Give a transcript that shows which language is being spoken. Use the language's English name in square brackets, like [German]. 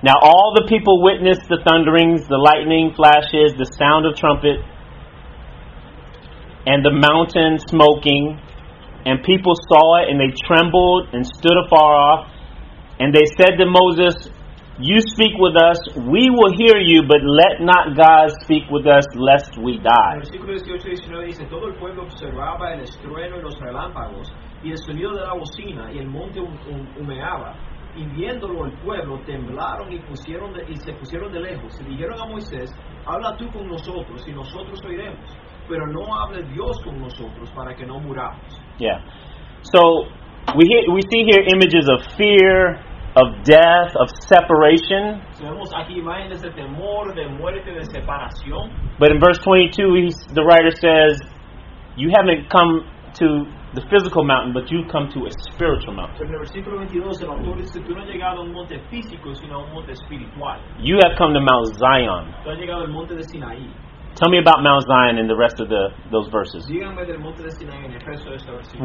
[English] Now all the people witnessed the thunderings, the lightning flashes, the sound of trumpet, and the mountain smoking. And people saw it, and they trembled and stood afar off. And they said to Moses, "You speak with us, we will hear you, but let not God speak with us, lest we die." [Spanish] El versículo 18-19 dice, todo el pueblo observaba el estruendo y los relámpagos, y el sonido de la bocina, y el monte humeaba. Y viéndolo el pueblo, temblaron y se pusieron de lejos. Y dijeron a Moisés, habla tú con nosotros, y nosotros oiremos. Pero no hable Dios con nosotros, para que no muramos. [English] Yeah. So, we see here images of fear, of death, of separation. [Spanish] Vemos aquí imágenes de temor, de muerte, de separación. [English] But in verse 22, the writer says, you haven't come to the physical mountain, but you've come to a spiritual mountain. [Spanish] En el versículo 22, el autor dice, tú no has llegado a un monte físico, sino a un monte espiritual. [English] You have come to Mount Zion. [Spanish] Tú has llegado al monte de Sinaí. [English] Tell me about Mount Zion in the rest of those verses. [Spanish] Dígame del monte de Sinaí en el resto de este versículo.